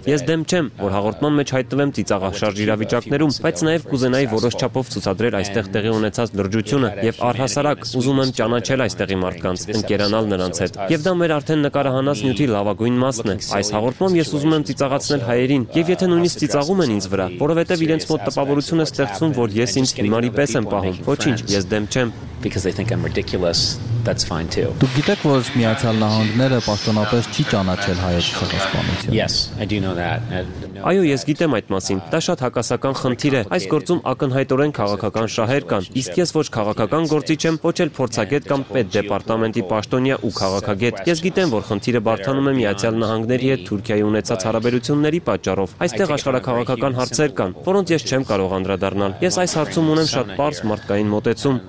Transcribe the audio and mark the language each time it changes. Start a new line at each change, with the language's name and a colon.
Armenian: Ես դեմ չեմ, որ հաղորդման մեջ հայտնվեմ ծիծաղաշարժ իրավիճակներում, բայց նաեւ կուզենայի որոշչապով ցուցադրել այստեղ տեղի ունեցած լրջությունը, եւ առհասարակ ուզում եմ ճանաչել այստեղի մարդկանց, ընկերանալ նրանց հետ։ Եվ դա մեր արդեն նկարահանած նյութի լավագույն մասն է։ Այս հաղորդումով ես ուզում եմ ծիծաղացնել հայերին, եւ եթե նույնիսկ ծիծաղում են ինձ վրա, որովհետեւ իրենց մոտ տպավորություն է ստեղծում, որ ես ինձ հիմարի պես եմ պահում, ոչինչ, ես դեմ չեմ։
English: Because they think I'm ridiculous, that's fine too.
Armenian: Դու գիտեք, որ Միացյալ Նահանգները պաշտոնապես չի ճանաչել հայոց ցեղասպանությունը։
English: Yes, I do know that.
Armenian: Այո, ես գիտեմ այդ մասին։ Դա շատ հակասական խնդիր է։ Այս գործում ակնհայտորեն քաղաքական շահեր կան, իսկ ես ոչ քաղաքական գործիչ եմ, ոչ էլ փորձագետ կամ պետ դեպարտամենտի պաշտոնյա ու քաղաքագետ։ Ես գիտեմ, որ խնդիրը բարթանում է Միացյալ Նահանգների հետ Թուրքիայի ունեցած հարաբերությունների պատճառով։ Այստեղ աշխարհակաղակական հարցեր կան, որոնց ես չեմ կարող անդրադառնալ։ Ես այս հարցում ունեմ շատ պարզ մարդկային մոտեցում,